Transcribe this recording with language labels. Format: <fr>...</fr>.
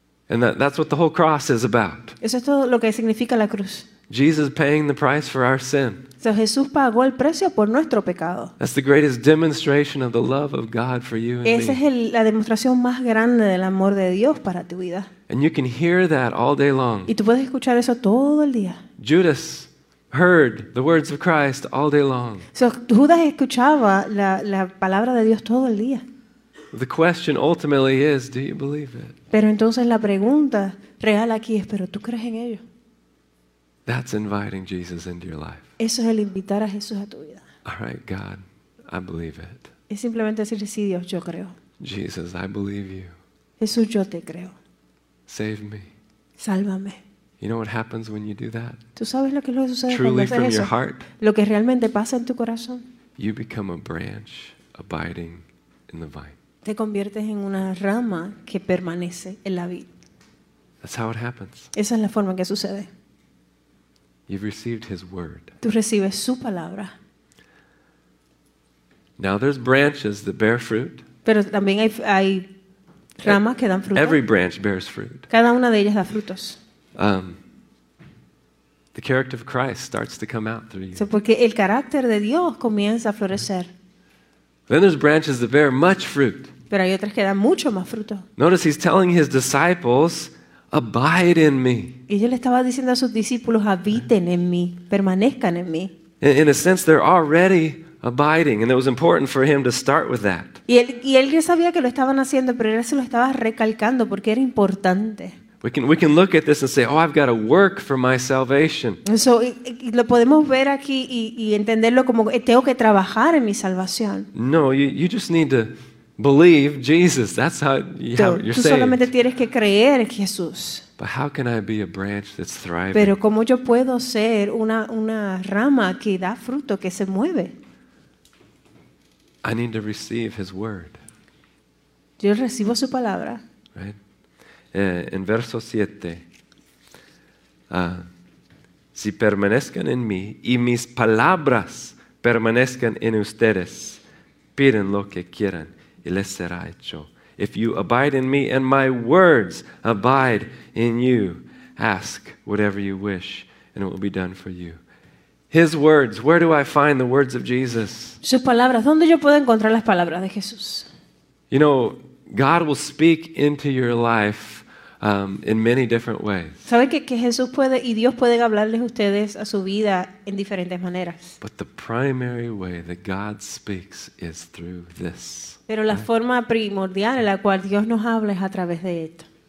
<en>And that's what the whole cross is about.</en> <es>Eso es todo lo que significa la cruz.</es> <en>Jesus paying the price for our sin.</en> <es>So Jesús pagó el precio por nuestro pecado.</es> <en>That's the greatest demonstration of the love of God for you and me.</en> <es>Esa es la demostración más grande del amor de Dios para tu vida.</es> <en>And you can hear that all day long.</en> <es>Y tú puedes escuchar eso todo el día.</es> <en>Judas heard the words of Christ all day long.</en> <es>So Judas escuchaba la palabra de Dios todo el día.</es> <en>The question ultimately is, do you believe it?</en> <es>Pero entonces la pregunta real aquí es, ¿pero tú crees en ello?</es> <en>That's inviting Jesus into your life.</en> <es>Eso es el invitar a Jesús a tu vida.</es> <en>All right, God, I believe it.</en> <es>Es simplemente decir, sí, Dios, yo creo.</es> <en>Jesus, I believe you.</en> <es>Jesús, yo te creo.</es> <en>Save me.</en> <es>Sálvame.</es> <en>You know what happens when you do that?</en> <es>¿Tú sabes lo que sucede cuando haces eso?</es> <en>Truly from your heart.</en> <es>Lo que realmente pasa en tu corazón.</es> <en>You become a branch abiding in the vine.</en> <es>te conviertes en una rama que permanece en la vid.</es> <en>That's how it happens.</en> <es>Esa es la forma que sucede.</es> <en>You've received his word.</en> <es>Tú recibes su palabra.</es> <en>Now there's branches that bear fruit.</en> <es>Pero también hay ramas que dan fruto.</es> <en>Every branch bears fruit.</en> <es>Cada una de ellas da frutos.</es> <en>The character of Christ starts to come out through you.</en> <es>So porque el carácter de Dios comienza a florecer.</es> <en>Then there's branches that bear much fruit.</en> <es>Pero hay otras que dan mucho más fruto.</es> <en>Notice he's telling his disciples, abide in me.</en> <es>Y él estaba diciendo a sus discípulos, habiten en mí, permanezcan en mí.</es> <en>In a sense, they're already abiding, and it was important for him to start with that.</en> <es>Y él ya sabía que lo estaban haciendo, pero él se lo estaba recalcando porque era importante.</es> <en>We can look at this and say, oh, I've got to work for my salvation.</en> <es>So, y lo podemos ver aquí y entenderlo como tengo que trabajar en mi salvación.</es> <en>No, you just need to believe Jesus. That's how you're saved.</en> <es>Tú solamente tienes que creer en Jesús.</es> <en>But how can I be a branch that's thriving?</en> <es>Pero cómo yo puedo ser una rama que da fruto, que se mueve.</es> <en>I need to receive his word.</en> <es>Yo recibo su palabra.</es> <en>Right?</en> <es>En verso 7, si permanezcan en mí y mis palabras permanezcan en ustedes, piden lo que quieran y les será hecho.</es> <en>If you abide in me and my words abide in you, ask whatever you wish and it will be done for you. His words, where do I find the words of Jesus?</en> <es>Sus palabras, ¿dónde yo puedo encontrar las palabras de Jesús?</es> <en>You know, God will speak into your life in many different ways.</en> <es>Sabe que Jesús puede y Dios pueden hablarles ustedes a su vida en diferentes maneras.</es> <en>But the primary way that God speaks is through this.</en> <es>Pero la forma primordial en la cual Dios nos habla es a través de esto.</es>